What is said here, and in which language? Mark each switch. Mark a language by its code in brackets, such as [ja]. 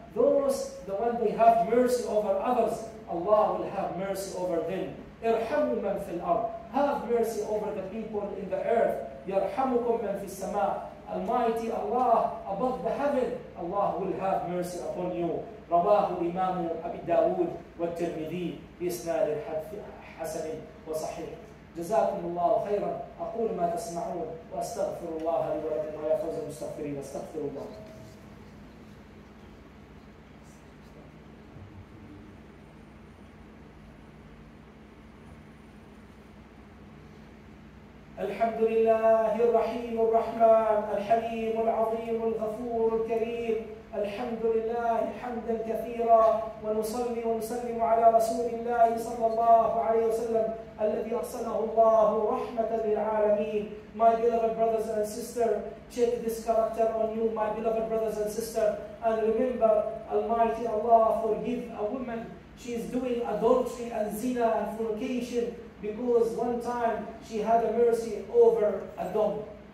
[en] Those, the one they have mercy over others, Allah will have mercy over them. [ar] Irhamu man fil ard. [en] Have mercy over the people in the earth. [ar] يَرْحَمُكُمْ مَنْ فِي السَّمَاءِ. [en] Almighty Allah, above the heaven, Allah will have mercy upon you. [ar] رواه الإمام أبي داود والترمذي بإسناد حسن وصحيح. جزاكم الله خيرا. أقول ما تسمعون وأستغفر الله لي ولكم ما يفوز المستغفرين. أستغفر الله. الحمد لله الرحيم الرحمن الحليم العظيم الغفور الكريم. الحمد لله حمدا كثيرا ونصلي ونسلم على رسول الله صلى الله عليه وسلم الذي أرسله الله رحمة للعالمين. [en] My beloved brothers and sisters, check this character on you, my beloved brothers and sisters, and remember Almighty Allah forgive a woman. She is doing adultery and zina and fornication. Because one time she had a mercy over a dog.